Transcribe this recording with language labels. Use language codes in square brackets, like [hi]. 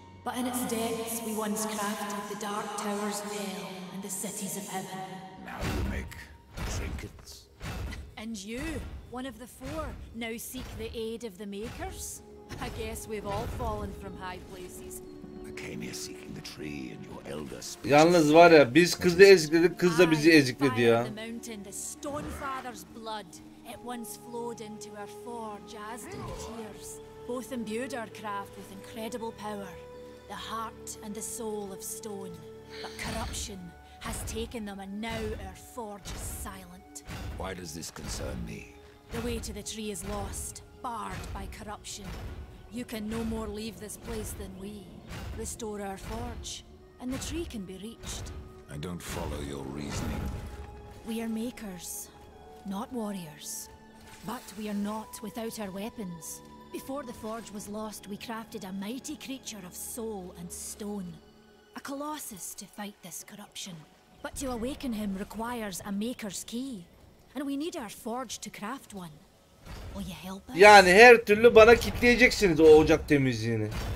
[en] But in its depths we once crafted the Dark Tower's veil and the cities of heaven. Now you make trinkets? And you, one of the four, now seek the aid of the Makers? I guess we've all fallen from high places. Came here seeking the tree and your elder spirit. [tr] Yalnız var ya, biz kızı ezikledik, kız da bizi ezikledi ya. [en] The mountain, the stone father's blood, it once flowed into our forge as did tears. Both imbued our craft with incredible power, the heart and the soul of stone. But corruption has taken them and now our forge is silent. Why does this concern me? The way to the tree is lost, barred by corruption. You can no more leave this place than we. Restore our forge, and the tree can be reached. I don't follow your reasoning. We are makers, not warriors. But we are not without our weapons. Before the forge was lost, we crafted a mighty creature of soul and stone. A colossus to fight this corruption. But to awaken him requires a maker's key. And we need our forge to craft one. Will you help us? [tr] Yani her türlü bana kitleyeceksiniz o ocak temizliğini.